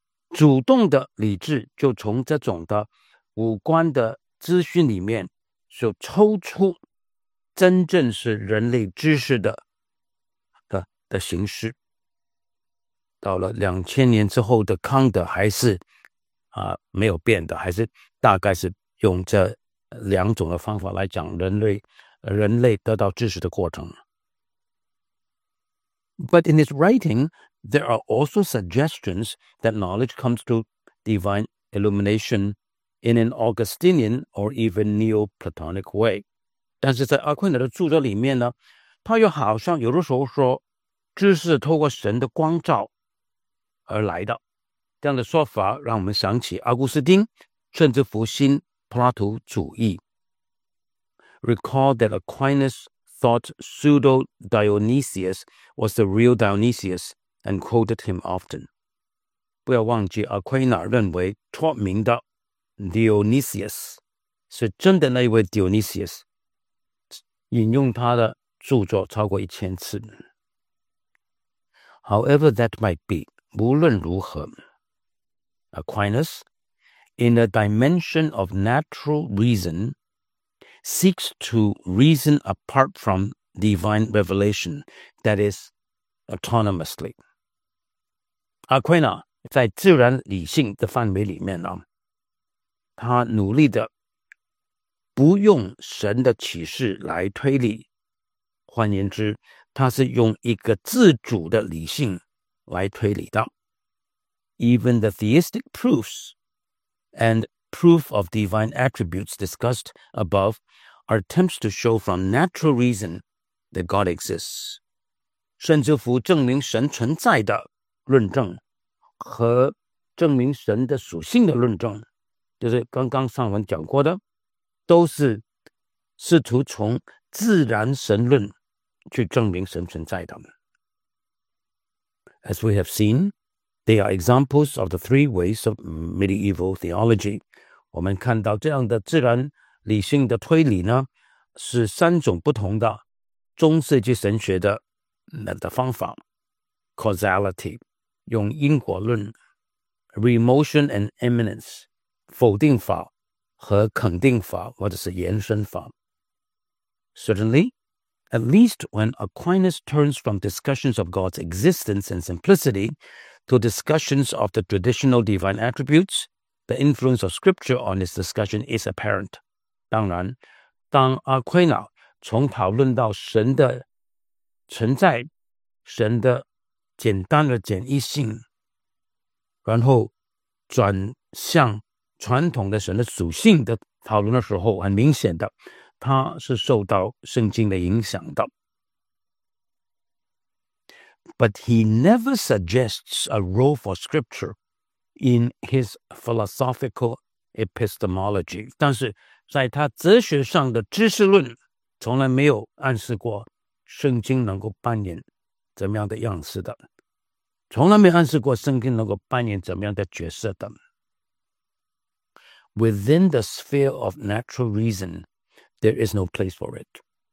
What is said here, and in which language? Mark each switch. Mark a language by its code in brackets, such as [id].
[zh] 主动的理智就从这种的五官的资讯里面就抽出真正是人类知识 的形式。到了两千年之后的康德还是、没有变的，还是大概是用这两种的方法来讲人类得到知识的过程。 [en] But in his writing, there are also suggestions that knowledge comes through divine illumination in an Augustinian or even Neoplatonic way. [zh] 但是在阿奎那的著作里面呢，他又好像有的时候说知识透过神的光照而来的。这样的说法让我们想起阿古斯丁甚至复兴柏拉图主义。 [en] Recall that Aquinas thought pseudo-Dionysius was the real Dionysius and quoted him often. [zh] 不要忘记阿奎那认为托名的 Dionysius 是真的那一位 Dionysius 引用他的著作超过一千次。 [en] However that might be, [zh] 无论如何 [en] Aquinas, in a dimension of natural reason,seeks to reason apart from divine revelation, that is, autonomously. [zh] Aquinas 在自然理性的范围里面、他努力的不用神的启示来推理，换言之，他是用一个自主的理性来推理的。 [en] Even the theistic proofs and proof of divine attributes discussed aboveAre attempts to show from natural reason that God exists. [zh] 甚至乎证明神存在的论证和证明神的属性的论证，就是刚刚上文讲过的，都是试图从自然神论去证明神存在的。 [en] As we have seen, they are examples of the three ways of medieval theology. [zh] 我们看到这样的自然理性的推理呢，是三种不同的中世纪神学 的方法 causality 用因果论 [en] remotion and immanence [zh] 否定法和肯定法或者是延伸法 [en] Certainly, at least when Aquinas turns from discussions of God's existence and simplicity to discussions of the traditional divine attributes, the influence of scripture on this discussion is apparent. [zh] 当然当阿奎那从讨论到神的存在神的简单的简易性然后转向传统的神的属性的讨论的时候很明显的他是受到圣经的影响的。 [en] But he never suggests a role for scripture in his philosophical epistemology. [zh] 但是在他哲学上的知识论从来没有暗示过圣经能够扮演怎么样的样式的从来没有暗示过圣经能够扮演怎么样的角色的 [en] Within the sphere of natural reason there is no place for it